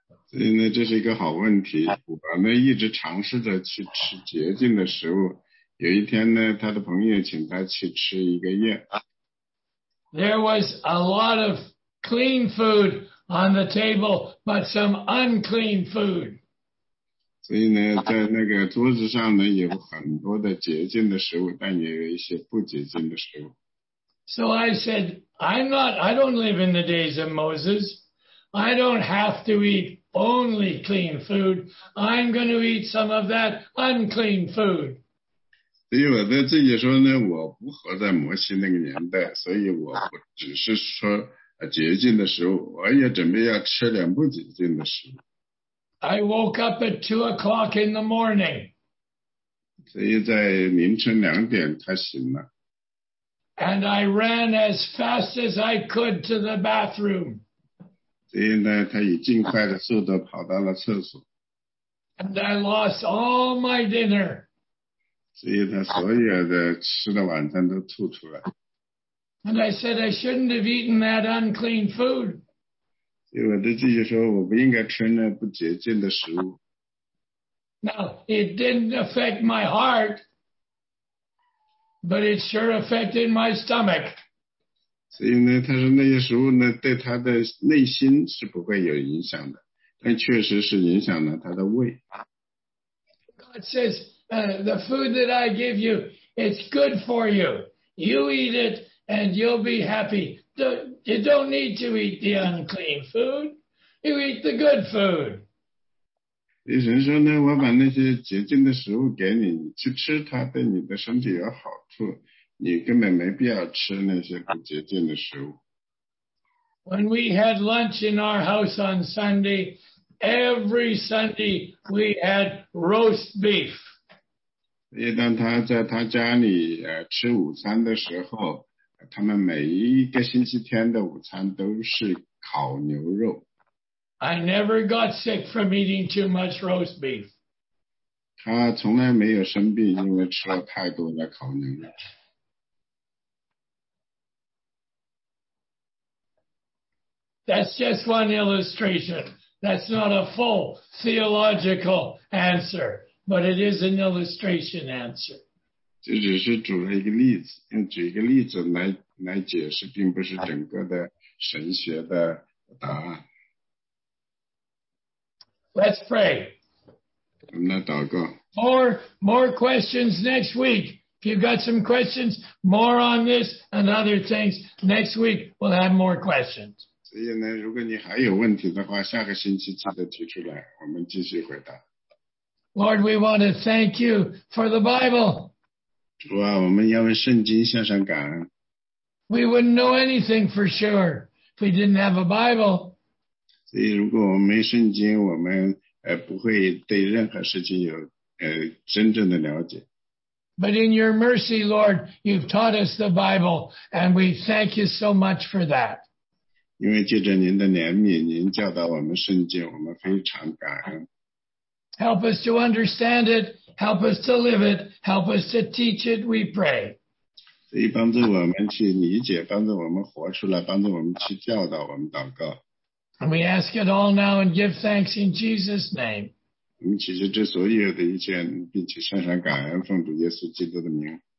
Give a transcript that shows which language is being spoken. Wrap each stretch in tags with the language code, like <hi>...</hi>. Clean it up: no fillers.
<zh>所以呢，这是一个好问题。我呢，一直尝试着去吃洁净的食物。有一天呢，他的朋友请他去吃一个宴。</zh> <en>There was a lot of clean food on the table, but some unclean food.</en> <zh>所以呢，在那个桌子上呢，有很多的洁净的食物，但也有一些不洁净的食物。</zh> <en>So I said, I don't live in the days of Moses. I don't have to eat only clean food. I'm going to eat some of that unclean food.</en> <zh>所以我在自己说呢，我不活在摩西那个年代，所以我不只是说。洁净的食物，我也准备要吃点不洁净的食物。</zh> <en>I woke up at 2 o'clock in the morning.</en> <zh>所以在凌晨两点他醒了。</zh> <en>And I ran as fast as I could to the bathroom.</en> <zh>所以呢，他以尽快的速度跑到了厕所。</zh> <en>And I lost all my dinner.</en> <zh>所以他所有的吃的晚餐都吐出来。</zh> <en>And I said, I shouldn't have eaten that unclean food.</en> <zh>所以我就继续说，我不应该吃那不洁净的食物。</zh> <en>Now, it didn't affect my heart, but it sure affected my stomach.</en> <zh>所以呢，他说那些食物呢，对他的内心是不会有影响的，但确实是影响了他的胃。</zh> <en>God says, the food that I give you, it's good for you. You eat it and you'll be happy. You don't need to eat the unclean food. You eat the good food.</en> <zh>医生说呢，我把那些洁净的食物给你，你去吃它，对你的身体有好处。你根本没必要吃那些不洁净的食物。</zh> <en>When we had lunch in our house on Sunday, every Sunday we had roast beef.</en> <zh>所以当他在他家里吃午餐的时候，他们每一个星期天的午餐都是烤牛肉。</zh> <en>I never got sick from eating too much roast beef.</en> <zh>他从来没有生病，因为吃了太多的烤牛肉。</zh> <en>That's just one illustration. That's not a full theological answer, but it is an illustration answer.</en> <zh>这只是举了一个例子，用举一个例子来解释，并不是整个的神学的答案。</zh> <en>Let's pray.</en> <zh>我们来祷告。</zh> <en>More questions next week. If you've got some questions, more on this and other things, next week we'll have more questions.</en> <zh>所以呢，如果你还有问题的话，下个星期记得提出来，我们继续回答。</zh> <en>Lord, we want to thank you for the Bible.</en> <zh>主啊，我们要为圣经献上感恩。</zh> <en>We wouldn't know anything for sure if we didn't have a Bible.</en> <zh>所以如果我们没圣经，我们不会对任何事情有真正的了解。</zh> <en>But in your mercy, Lord, you've taught us the Bible, and we thank you so much for that.</en> <zh>因为借着您的怜悯，您教导我们圣经，我们非常感恩。</zh> <en>Help us to understand it, help us to live it, help us to teach it, we pray.</en> <zh>所以帮助我们去理解，帮助我们活出来，帮助我们去教导，我们祷告。</zh> <en>And we ask it all now and give thanks in Jesus' name.</en> <zh>我们祈求这所有的一切，并且献上感恩，奉主耶稣基督的名。</zh>